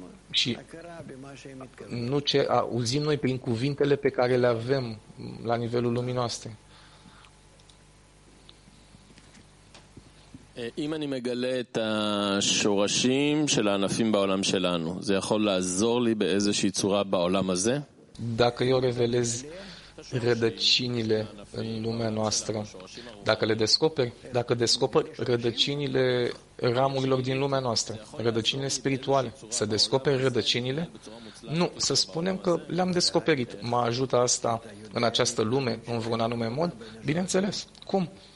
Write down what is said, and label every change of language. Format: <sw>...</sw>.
<ro>Și nu ce auzim noi prin cuvintele pe care le avem la nivelul lumii noastre.</ro> <he>אם אני מגלה את השורשים של הענפים בעולם שלנו, זה יכול לעזור לי באיזושהי צורה בעולם הזה?</he> <ro>Dacă eu revelez rădăcinile în lumea noastră, dacă le descoperi, dacă descoperi rădăcinile ramurilor din lumea noastră, rădăcinile spirituale, să descoperi rădăcinile? Nu, să spunem că le-am descoperit. Mă ajută asta în această lume, în vreun anume mod? Bineînțeles. Cum?</ro>